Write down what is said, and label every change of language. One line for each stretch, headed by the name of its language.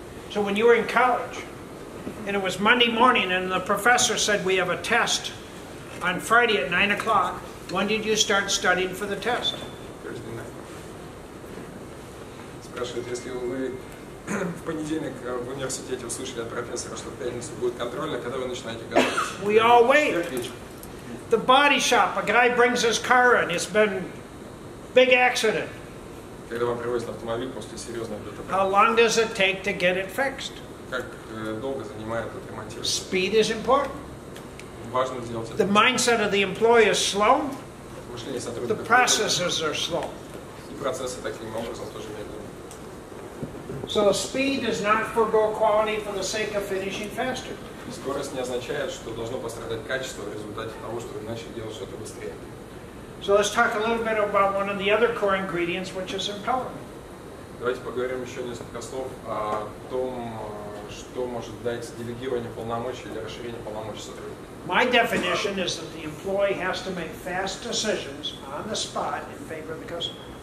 English: So when you were in college, and it was Monday morning, and the professor said, we have a test on Friday at 9 o'clock, when did you start studying for the test? Thursday night.
Russian: Спрашивает, если вы в понедельник в университете услышали от профессора, что в пятницу будет контрольно, когда вы начинаете готовиться?
English: We all wait. The body shop, a guy brings his car in, it's been big accident.
Russian: Когда вам привозят автомобиль после серьезного ДТП.
English: How long does it take to get it fixed?
Russian: Как долго занимает отремонтировать?
English: Speed is important.
Russian: Важно сделать это.
English: The mindset of the employee is slow.
Russian: Мышление сотрудника.
English: The processes are slow.
Russian: И процессы таким образом тоже медленны.
English: So speed does not forego quality for the sake of finishing faster.
Russian: Скорость не означает, что должно пострадать качество в результате того, что вы начали делать что-то быстрее.
English: So let's talk a little bit about one of the other core ingredients, which is empowerment.
Russian: Давайте поговорим еще несколько слов о том, что может дать делегирование полномочий или расширение полномочий сотрудника.
English: My definition is that the employee has to make fast decisions on the spot in favor of the customer.